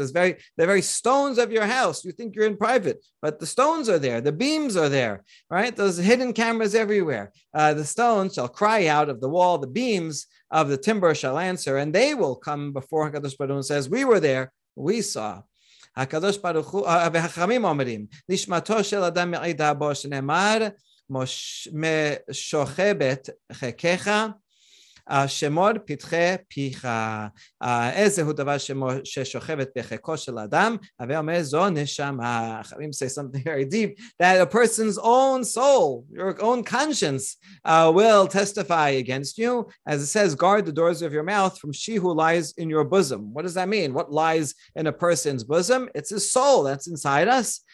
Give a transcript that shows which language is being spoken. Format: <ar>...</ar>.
<en>Says the very stones of your house, you think you're in private, but the stones are there, the beams are there, right? Those hidden cameras everywhere. The stones shall cry out of the wall, the beams of the timber shall answer, and they will come before HaKadosh Baruch Hu and says, we were there, we saw.</en> <he>הקדוש ברוך הוא, והחכמים אומרים, נשמתו של אדם מעידה בו שנאמר, משוכבת חכך, שמור פתחי פיך. איזה הוא דבר ששוכבת בחכו של אדם, הווה אומר זו נשמה.</he> <en>החכמים say something very deep, that a person's own soul, your own conscience, will testify against you. As it says, guard the doors of your mouth from she who lies in your bosom. What does that mean? What lies in a person's bosom? It's his soul that's inside us.</en>